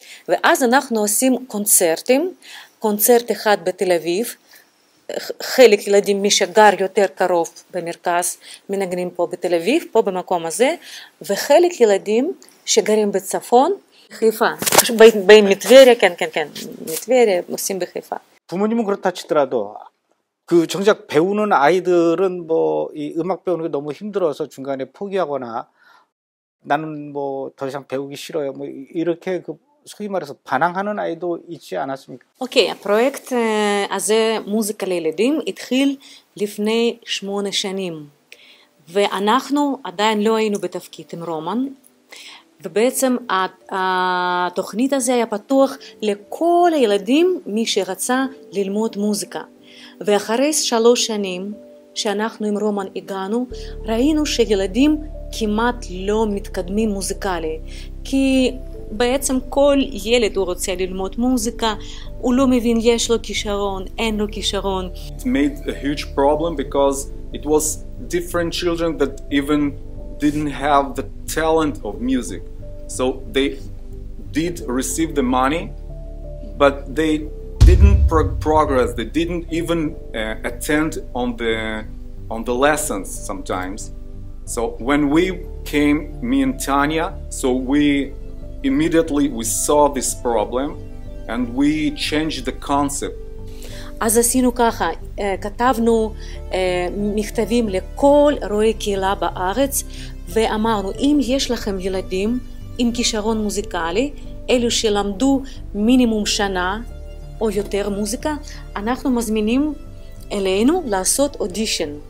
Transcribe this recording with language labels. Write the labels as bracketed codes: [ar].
[he] ואז אנחנו עושים קונצרטים, קונצרט אחד בתל אביב, חלק ילדים, מי שגר יותר קרוב במרכז, מנגנים פה בתל אביב, פה במקום הזה, וחלק ילדים שגרים בצפון, חיפה, באים מטבריה, כן, מטבריה, עושים בחיפה. [ko] 부모님은 그렇다 치더라도, 그 정작 배우는 아이들은 뭐 이 음악 배우는 게 너무 힘들어서 중간에 포기하거나 나는 뭐 더 이상 배우기 싫어요, 뭐 이렇게 그 소위 말해서 반항하는 아이도 있지 않았습니까? 오케이, 프로젝트 아제 무지카 레일딤 이틀 [he] לפני 8 שנים. ואנחנו עדיין לא היינו בתפקיד עם רומן. ובעצם התוכנית הזה היה פתוח לכל הילדים, מי שרצה ללמוד מוזיקה. ואחרי 3 שנים שאנחנו עם רומן הגענו, ראינו שילדים כמעט לא מתקדמים מוזיקלי, כי בעצם כל ילד הוא רוצה ללמוד מוזיקה, הוא לא מבין יש לו כישרון, אין לו כישרון. [en] It made a huge problem because it was different children that even didn't have the talent of music. So they did receive the money, but they didn't progress, they didn't even attend on the lessons sometimes. So when we came, me and Tanya, so we immediately we saw this problem and we changed the concept. [he] אז עשינו ככה, כתבנו מכתבים לכל רואי קהילה בארץ ואמרנו, אם יש לכם ילדים עם כישרון מוזיקלי, אלו שלמדו מינימום שנה או יותר מוזיקה, אנחנו מזמינים אלינו לעשות אודישן.